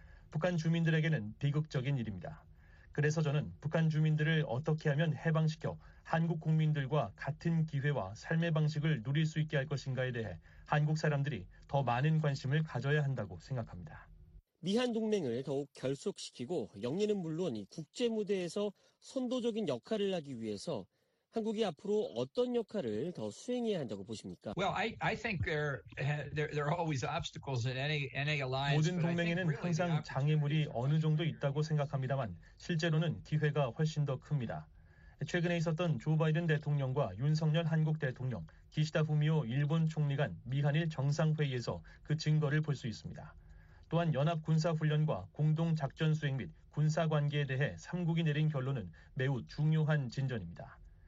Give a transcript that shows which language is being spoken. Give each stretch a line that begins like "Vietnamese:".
Korean: 북한 주민들에게는 비극적인 일입니다. 그래서 저는 북한 주민들을 어떻게 하면 해방시켜 한국 국민들과 같은 기회와 삶의 방식을 누릴 수 있게 할 것인가에 대해 한국 사람들이 더 많은 관심을 가져야 한다고 생각합니다. 미한 동맹을 더욱 결속시키고 영내는 물론 국제무대에서 선도적인 역할을 하기 위해서 한국이 앞으로 어떤 역할을 더 수행해야 한다고 보십니까?
English: Well, I think there are always obstacles in any alliance.
Korean: 모든 동맹에는 항상 장애물이 어느 정도 있다고 생각합니다만 실제로는 기회가 훨씬 더 큽니다. 최근에 있었던 조 바이든 대통령과 윤석열 한국 대통령, 기시다 후미오 일본 총리 간 미한일 정상회의에서 그 증거를 볼 수 있습니다. 또한 연합군사훈련과 공동작전수행 및 군사관계에 대해 3국이 내린 결론은 매우 중요한 진전입니다.